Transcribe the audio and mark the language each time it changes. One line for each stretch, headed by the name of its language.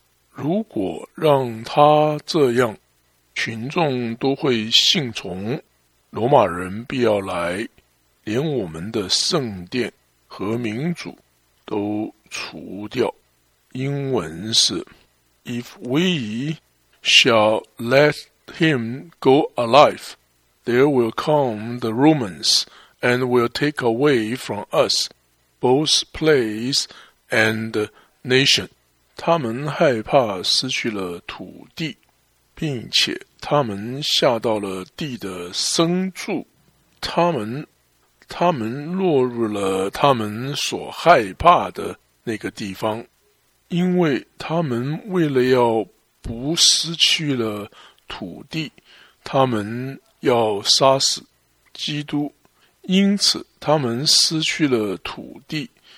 Chinese: 如果让他这样，群众都会信从，罗马人必要来，连我们的圣殿和民主都除掉。
English: 英文是 If we shall let him go alive, there will come the Romans and will take away from us both place and nation.
Chinese: 他们害怕失去了土地，并且他们下到了地的深处，他们落入了他们所害怕的那个地方，因为他们为了要不失去了土地，他们要杀死基督，因此他们失去了土地，